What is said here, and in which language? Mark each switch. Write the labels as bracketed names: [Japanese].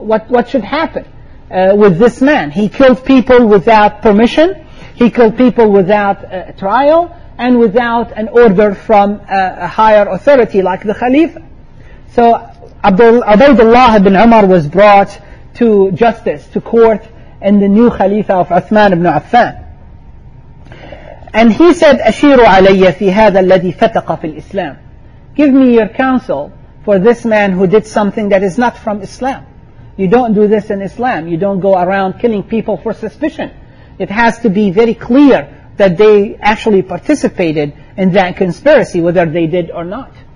[English] What should happen with this man? He killed people without permission, he killed people without trial, and without an order from a higher authority like the Khalifa. So Ubaydullah ibn Umar was brought to justice, to court, in the new Khalifa of Uthman ibn Affan. And he said, [Arabic] أَشِيرُ عَلَيَّ فِي هَذَا الَّذِي فَتَقَ فِي الْإِسْلَامِ. [English] Give me your counsel for this man who did something that is not from Islam. You don't do this in Islam. You don't go around killing people for suspicion. It has to be very clear that they actually participated in that conspiracy, whether they did or not.